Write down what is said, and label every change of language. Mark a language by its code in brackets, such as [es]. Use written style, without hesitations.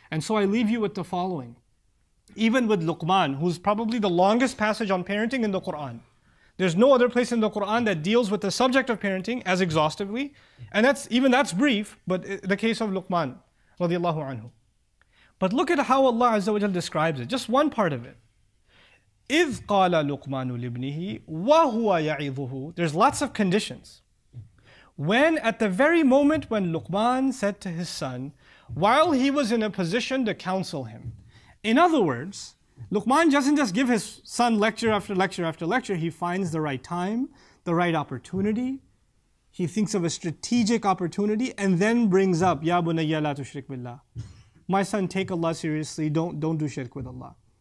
[en] And so I leave you with the following. Even with Luqman, who's probably the longest passage on parenting in the Quran. There's no other place in the Quran that deals with the subject of parenting as exhaustively. And that's brief, but the case of Luqman, radiallahu anhu. But look at how Allah Azza wa Jalla describes it. Just one part of it. [ar] إِذْ قَالَ لُقْمَانُ لِبْنِهِ وَهُوَ يَعِظُهُ [en] There's lots of conditions. When at the very moment when Luqman said to his son, while he was in a position to counsel him, in other words, Luqman doesn't just give his son lecture after lecture after lecture, he finds the right time, the right opportunity, he thinks of a strategic opportunity, and then brings up, [ar] يَا بُنَيَّ لَا تُشْرِكْ بِاللَّهِ [en] My son, take Allah seriously, don't do shirk with Allah.